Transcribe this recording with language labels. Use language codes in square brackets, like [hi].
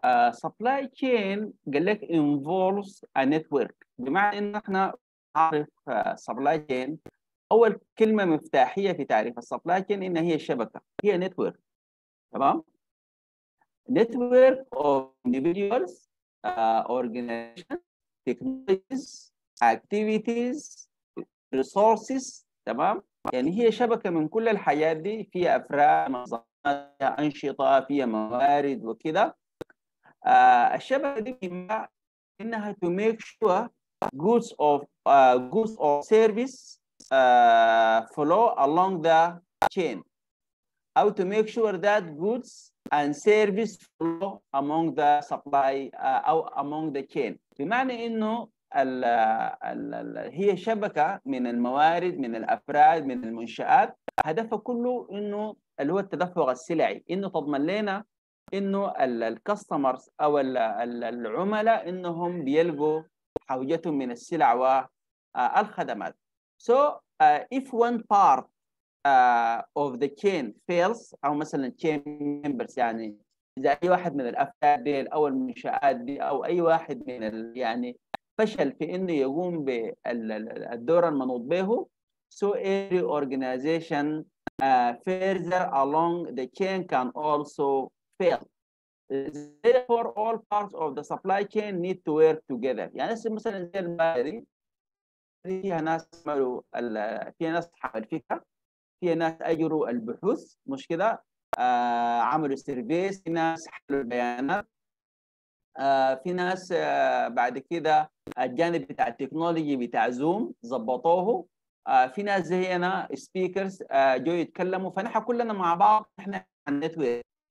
[ar] سبلاي تشين قال لك انفولز ا نتورك، بمعنى ان احنا عارف سبلاي تشين اول كلمه مفتاحيه في تعريف السبلاي تشين ان هي شبكه، هي نتورك، تمام؟ [en] network of individuals organization technologies activities resources, [ar] تمام؟ يعني هي شبكة من كل الحياة دي، فيها أفراد، منظمات، فيها أنشطة، فيها موارد وكذا. الشبكة دي إنها [en] to make sure goods or service flow along the chain. how to make sure that goods and service flow among the supply أو among the chain. [ar] بمعنى إنه الـ هي شبكة من الموارد، من الأفراد، من المنشآت، هدفها كله إنه اللي هو التدفق السلعي، إنه تضمن لنا إنه الكاستمرز أو العملاء إنهم بيلقوا حاجتهم من السلع والخدمات. [en] So if one part of the chain fails [ar] أو مثلا [en] chain members، [ar] يعني إذا أي واحد من الأفراد دي أو المنشآت دي أو أي واحد من يعني فشل في إنه يقوم بالدور المنوط به، [en] so every organization further along the chain can also fail. Therefore, all parts of the supply chain need to work together. [ar] يعني مثلا زي المادري، فيها ناس عملوا فيها ناس حاول فيها، فيها ناس أجروا البحوث مش كده، عملوا سيرفيس، في ناس حلوا البيانات، في ناس بعد كده الجانب بتاع التكنولوجي بتاع زوم ضبطوه، في ناس زي انا سبيكرز جو يتكلموا، فنحن كلنا مع بعض احنا النتورك.